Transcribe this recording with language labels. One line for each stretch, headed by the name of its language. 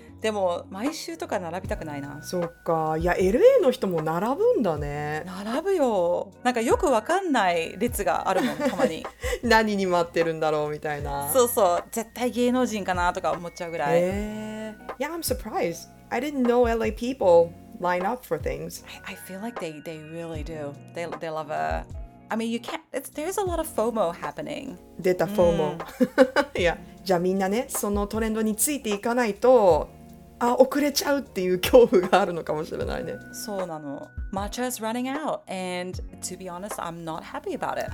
Japanese: でも毎週とか並びたくないな。そっか、いや LA の人も並ぶんだね。並ぶよ、なんかよくわかんない列があるもん、たまに何に待ってるんだろうみたいな。そうそう、絶対芸能人かなとか思っちゃうぐらい。
English: Yeah, I'm surprised. I didn't know LA people line up for things. I feel like they really do. They love a... I mean, you can't... There's a lot of FOMO happening.
Japanese: 出た FOMO。いや、じゃあみんなね、そのトレンドについていかないと、あ、遅れちゃうっていう恐怖があるのかもしれないね。そうなの。
English: Matcha is running out, and to be honest, I'm not happy about it.